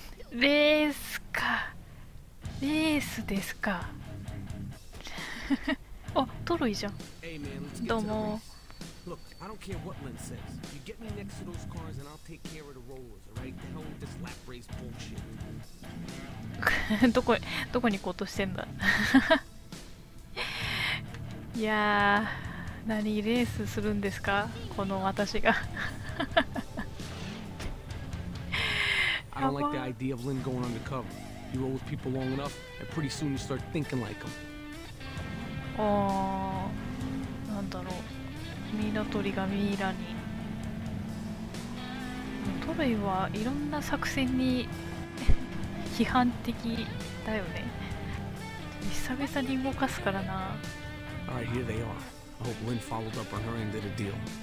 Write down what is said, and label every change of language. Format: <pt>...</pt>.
<ja>レースか。レースですか。あ、トロイじゃん。どうも。</ja> <en>Look, I don't care what Lin says. You get me next to those cars and I'll take care of the rollers, alright? The hell with this lap race bullshit.</en> <ja>どこに行こうとしてんだ。いやー、何レースするんですか、この私が。</ja> <en>I don't like the idea of Lin going undercover. You roll with people long enough and pretty soon you start thinking like them.</en> <ja>あー、なんだろう、ミイラ取りがミイラに。トロイはいろんな作戦に批判的だよね。久々に動かすからな。</ja> <en>Alright, here they are. I hope Lin followed up on her end of the deal.</en>